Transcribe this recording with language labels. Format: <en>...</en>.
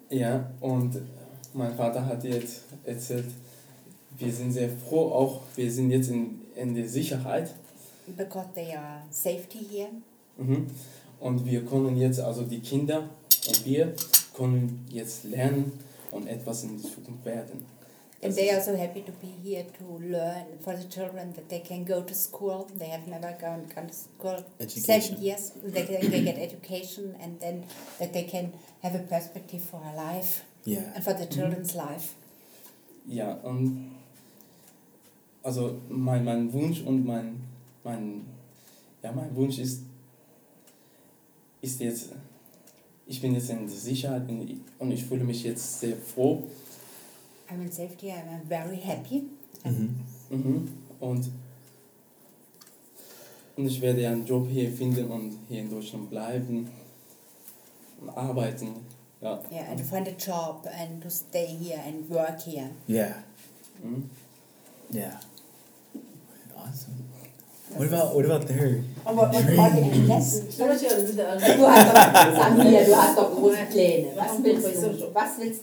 <de>Ja, und mein Vater hat jetzt erzählt, wir sind sehr froh, auch wir sind jetzt in der Sicherheit.</de> <en>Because they are safety here. Mhm.</en> <de>Und wir können jetzt, also die Kinder und wir, können jetzt lernen und etwas in die Zukunft werden.</de> <en>And they are so happy to be here to learn for the children that they can go to school. They have never gone to school. Education. 7 years. They get education, and then that they can have a perspective for a life. Yeah. And for the children's life. Yeah.</en> <de>Also mein Wunsch und mein Wunsch ist jetzt, ich bin jetzt in der Sicherheit und ich fühle mich jetzt sehr froh.</de> <en>I'm in safety, I'm very happy. Mm-hmm. Mm-hmm.</en> <de>Und ich werde einen Job hier finden und hier in Deutschland bleiben und arbeiten.</de> <en>Yeah. Yeah, and find a job and to stay here and work here. Yeah. Mm-hmm. Yeah. Awesome. What about their dream? Oh, what about the</en>